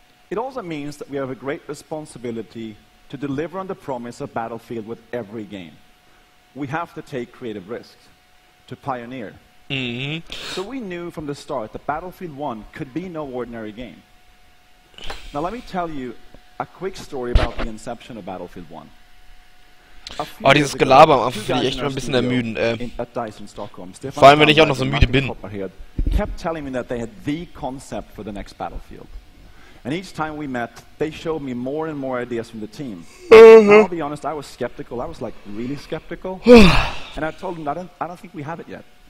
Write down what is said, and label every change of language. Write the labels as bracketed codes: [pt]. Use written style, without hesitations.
[en] It also means that we have a great responsibility to deliver on the promise of Battlefield with every game. We have to take creative risks, to pioneer. Mm-hmm. So we knew from the start that Battlefield 1 could be no ordinary game. Now let me tell you a quick story about the inception of Battlefield 1. [de] Oh, dieses Gelaber am Anfang finde ich echt schon ein bisschen ermüdend, ey. Vor allem, wenn ich auch noch so müde bin. [en] Kept telling me that they had the concept for the next Battlefield. And each time we met, they showed me more and more ideas from the team. I'll be honest, I was skeptical. I was like really skeptical. And I told them, I don't think we have it yet.